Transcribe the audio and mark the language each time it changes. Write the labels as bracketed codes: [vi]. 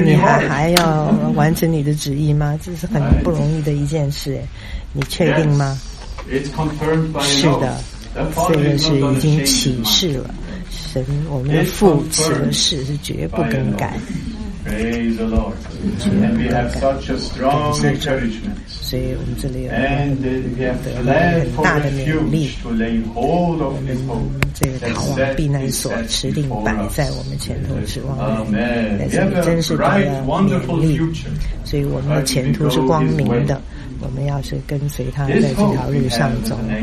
[zh] 你还要完成你的旨意吗？” 这是很不容易的一件事。你确定吗？是的，这个是已经启示了。神，我们的父启了誓，是绝不更改。 [en] Praise the Lord. And we have such a strong encouragement. And we have fled for refuge to lay hold of his hope. [zh] 这个逃亡避难所持定摆在我们前头指望的人，在这里真是得了勉励。所以我们的前途是光明的，我们要是跟随他在这条路上走。